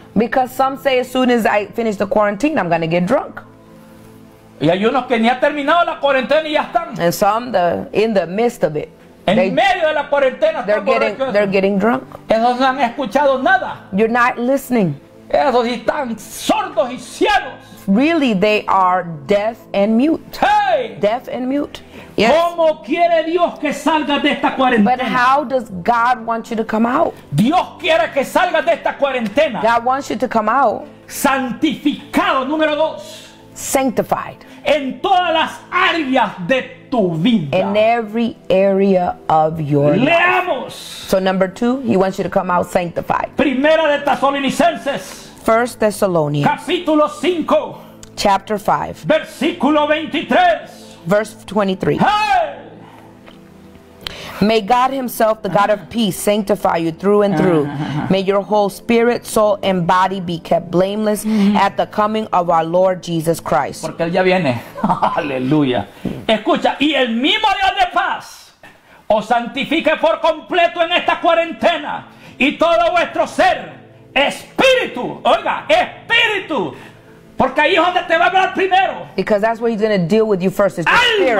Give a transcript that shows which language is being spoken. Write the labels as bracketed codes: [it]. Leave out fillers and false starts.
[en] Because some say as soon as I finish the quarantine, I'm going to get drunk. [es] Y hay unos que ni ha terminado la cuarentena y ya están. [en] And some in the midst of it. [es] En medio de la cuarentena. [en] They're getting drunk. [es] Esos no han escuchado nada. [en] You're not listening. [es] Esos están sordos y ciegos. [en] Really, they are deaf and mute. Hey. Deaf and mute. Yes. [es] ¿Cómo quiere Dios que salga de esta cuarentena? [en] But how does God want you to come out? [es] Dios quiere que salga de esta cuarentena. [en] God wants you to come out. [es] Santificado, número dos. [en] Sanctified [es] en todas las áreas de tu vida. [en] In every area of your [es] Leamos. [en] Life. So number two, he wants you to come out sanctified. [es] Primera de Tesalonicenses. [en] First Thessalonians. [es] Capítulo 5. [en] Chapter 5. [es] Versículo 23. [en] Verse 23. Hey! May God himself, the God of peace, sanctify you through and through. May your whole spirit, soul, and body be kept blameless at the coming of our Lord Jesus Christ. [es] Porque él ya viene. Aleluya. Escucha, y el mismo Dios de paz os santifique por completo en esta cuarentena y todo vuestro ser, espíritu, oiga, espíritu. Porque ahí es donde te va a hablar primero. [en] Because that's where he's going to deal with you first. It's your